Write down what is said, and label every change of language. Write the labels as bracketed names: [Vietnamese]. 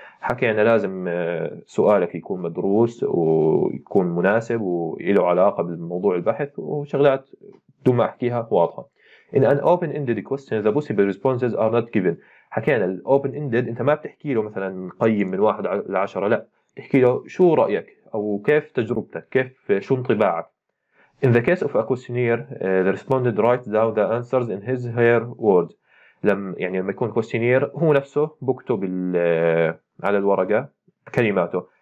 [Arabic] حكي أنا لازم سؤالك يكون مدروس ويكون مناسب وإله علاقة بالموضوع البحث، وشغلات دون ما أحكيها واضحة. [English] In an open-ended question, the possible responses are not given. [Arabic] حكينا الـ open-ended أنت ما بتحكي له مثلا قيم من 1 لـ10، لا، تحكي له شو رأيك أو كيف تجربتك، كيف شو انطباعك. [English] In the case of a questionnaire, the respondent writes down the answers in his or her words. [Arabic] لم يعني لما يكون questionnaire هو نفسه بكتب على الورقة كلماته.